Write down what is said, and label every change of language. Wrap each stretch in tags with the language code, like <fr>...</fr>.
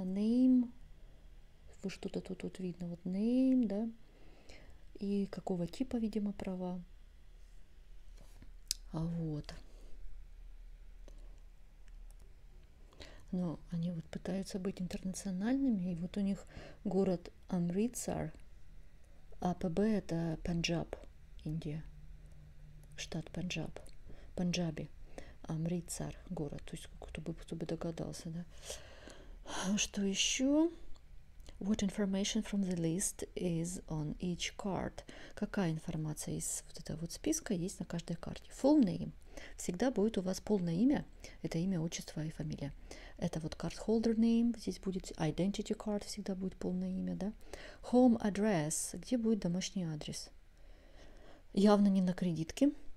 <ru>Name, что-то тут вот видно, вот name, да, и какого типа, видимо, права, а вот, но они вот пытаются быть интернациональными, и вот у них город Амритсар, а ПБ это Панджаб, Индия, штат Панджаб, Панджаби, Амритсар город, то есть кто бы догадался, да. Что еще?</ru> <en>What information from the list is on each card?</en> <ru>Какая информация из вот этого вот списка есть на каждой карте?</ru> <en>Full name.</en> <ru>Всегда будет у вас полное имя. Это имя, отчество и фамилия. Это вот cardholder name. Здесь будет identity card. Всегда будет полное имя, да?</ru> <en>Home address.</en> <ru>Где будет домашний адрес? Явно не на кредитке.</ru>